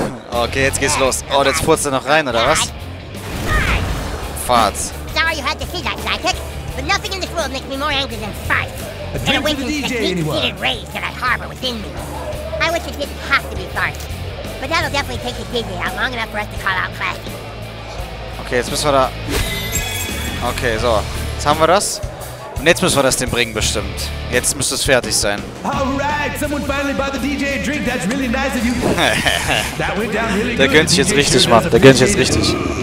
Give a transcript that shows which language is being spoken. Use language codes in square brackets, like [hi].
[de] Okay, jetzt geht's los. Oh, jetzt furzt er noch rein, oder was? [en] Fart. Sorry, you had to see that, sidekick. But nothing in this world makes me more angry than fart. And awakens the heat-seated rage that I harbor within me. I wish it didn't have to be farted. But that'll definitely take the DJ out long enough for us to call out Classy. [de] Okay, jetzt müssen wir da... Okay, so. Jetzt haben wir das. Und jetzt müssen wir das dem bringen, bestimmt. Jetzt müsste es fertig sein. Der gönnt sich jetzt richtig, Mann. Der gönnt sich jetzt richtig.